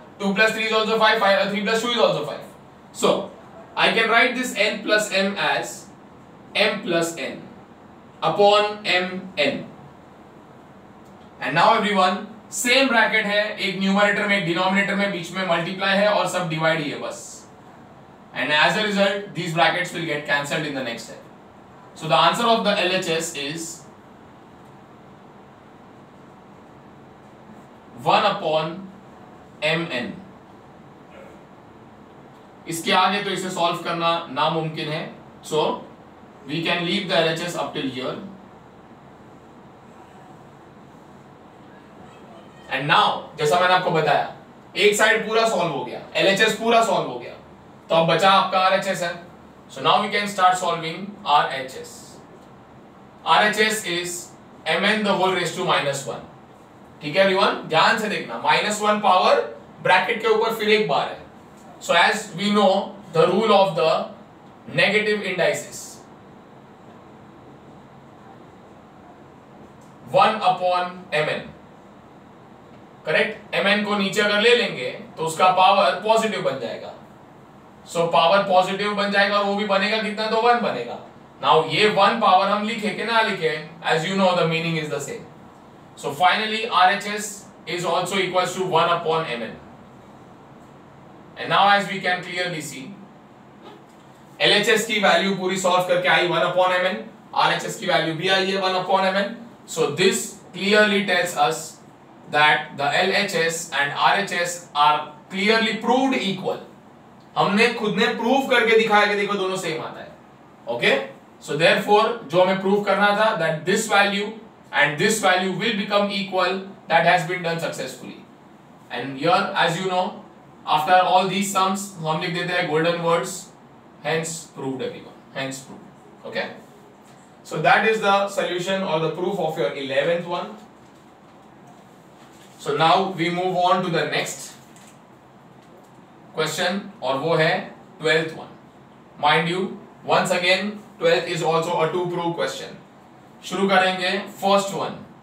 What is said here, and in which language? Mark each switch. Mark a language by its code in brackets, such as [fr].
[en] 2 plus 3 is also 5, 3 plus 2 is also 5. So I can write this n plus m as m plus n upon m n. And now everyone, same bracket [hi] है, एक numerator में, एक denominator में, बीच में multiply है और सब divide ही है बस. [en] And as a result, these brackets will get cancelled in the next step. So the answer of the LHS is 1 upon mn. [hi] इसके आगे तो इसे solve करना नामुमकिन है. [en] So we can leave the LHS up till here. And now, [hi] जैसा मैंने आपको बताया, एक साइड पूरा सॉल्व हो गया, LHS पूरा सॉल्व हो गया, तो अब बचा आपका RHS है. [en] So now we can start solving RHS. RHS is MN the whole raised to minus 1. [hi] ठीक है एवरीवन, ध्यान से देखना, minus 1 power bracket के ऊपर फिर एक बार है. [en] So as we know the rule of the negative indices, 1 upon MN. [hi] Correct, mn को नीचे अगर ले लेंगे तो उसका पावर पॉजिटिव बन जाएगा. सो पावर पॉजिटिव बन जाएगा और वो भी बनेगा कितना, तो 1 बनेगा. नाउ ये 1 पावर हम लिखे कि ना लिखे, [en] As you know the meaning is the same. So finally RHS is also equal to 1 upon mn. And now as we can clearly see, [hi] LHS की वैल्यू पूरी सॉल्व करके आई 1 अपॉन mn, RHS की value भी आई है 1 upon mn. [en] So this clearly tells us that the LHS and RHS are clearly proved equal. [hi] हमने खुद ने prove करके दिखाया कि देखो दोनों सेम आता है. [en] okay, so therefore [hi] जो हमें प्रूव करना था [en] That this value and this value will become equal, that has been done successfully. And here as you know after all these sums [hi] हम लिख देते हैं [en] Golden words, hence proved everyone, hence proved. Okay, so that is the solution और the proof of your 11th one. So now we move on to the next question, [hi] और वो है [en] 12th one. Mind you, once again, 12th is also a two-proof question. [hi] शुरू करेंगे first one.